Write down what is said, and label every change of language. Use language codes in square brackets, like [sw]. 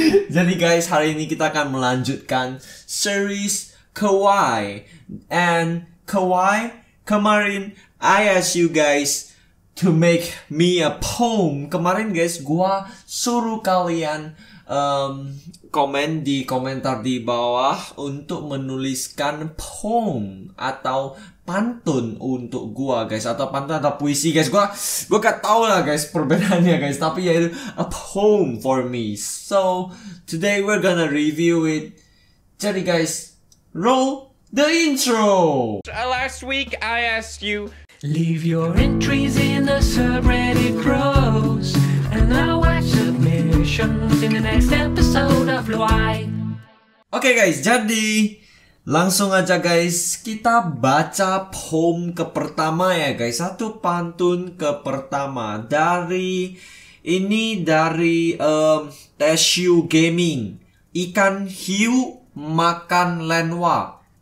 [id] Jadi guys, hari ini kita akan melanjutkan series KWIAY. [en] And KWIAY, kemarin I ask you guys to make me a poem. [id] Kemarin guys, gua suruh kalian komen di komentar di bawah untuk menuliskan poem atau pantun untuk gua guys, atau pantun atau puisi guys. Gua gak tau lah guys perbedaannya guys, tapi ya itu [en] a poem for me. So today we're gonna review it. Jadi guys, roll the intro. Last week I asked you, leave your entries in the subreddit pros, and I'll watch submissions in the next episode of KWIAY. [id] Okay guys, jadi langsung aja guys, kita baca poem ke pertama ya guys, satu pantun ke pertama dari ini, dari TSU Gaming. Ikan hiu makan Lehnwa.